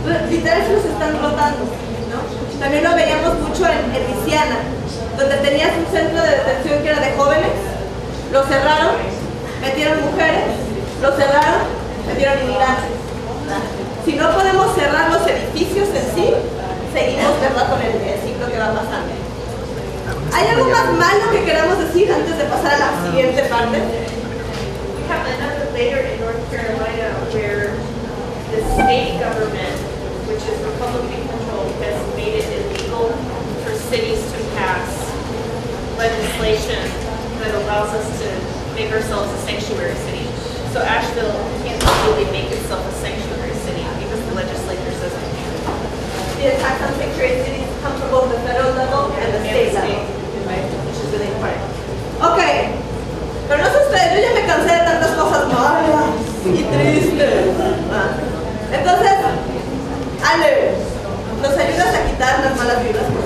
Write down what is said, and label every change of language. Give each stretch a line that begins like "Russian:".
Spanish: Literal se los están rotando, ¿no? También lo veíamos mucho en Luisiana, donde tenías un centro de detención que era de jóvenes, lo cerraron, metieron mujeres, lo cerraron, metieron inmigrantes. Si no podemos cerrar los edificios en sí, seguimos, ¿verdad?, con el ciclo que va pasando. ¿Hay algo más malo que queramos decir antes de pasar a la siguiente parte?
English: We have another layer in North Carolina where the state government, which is Republican controlled, has made it illegal for cities to pass legislation that allows us to make ourselves a sanctuary city. So Asheville can't legally make itself a sanctuary city because the legislature says it. The attacks on sanctuary cities come from both the federal level and the state level.
Spanish: Okay, pero no sé ustedes, yo ya me cansé de tantas cosas malas y tristes. Entonces, Ale, ¿nos ayudas a quitar las malas vibras?